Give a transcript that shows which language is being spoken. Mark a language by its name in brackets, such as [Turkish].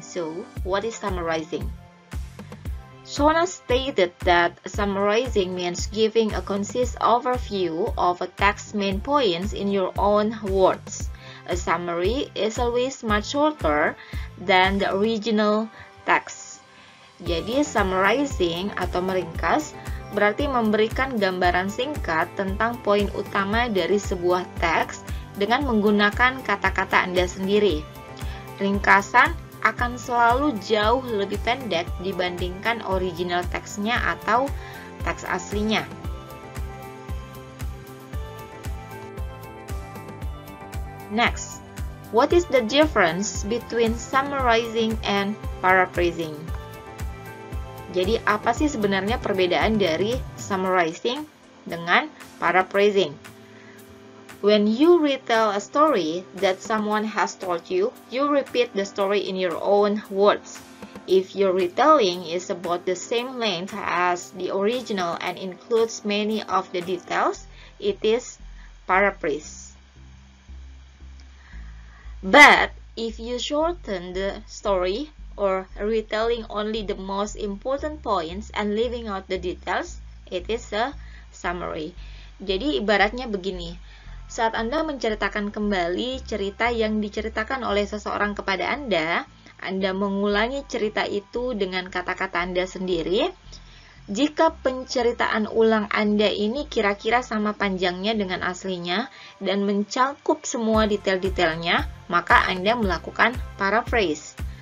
[English] So, what is summarizing? Shona stated that summarizing means giving a concise overview of a text's main points in your own words. A summary is always much shorter than the original text. [Indonesian] Jadi, summarizing atau meringkas berarti memberikan gambaran singkat tentang poin utama dari sebuah teks dengan menggunakan kata-kata Anda sendiri. Ringkasan akan selalu jauh lebih pendek dibandingkan original teksnya atau teks aslinya. [English] Next, what is the difference between summarizing and paraphrasing? [Indonesian] Jadi, apa sih sebenarnya perbedaan dari summarizing dengan paraphrasing? [English] When you retell a story that someone has told you, you repeat the story in your own words. If your retelling is about the same length as the original and includes many of the details, it is paraphrase. But if you shorten the story, or retelling only the most important points and leaving out the details, it is a summary. [Indonesian] Jadi ibaratnya begini, saat Anda menceritakan kembali cerita yang diceritakan oleh seseorang kepada Anda mengulangi cerita itu dengan kata-kata Anda sendiri. Jika penceritaan ulang Anda ini kira-kira sama panjangnya dengan aslinya dan mencakup semua detail-detailnya, maka Anda melakukan paraphrase.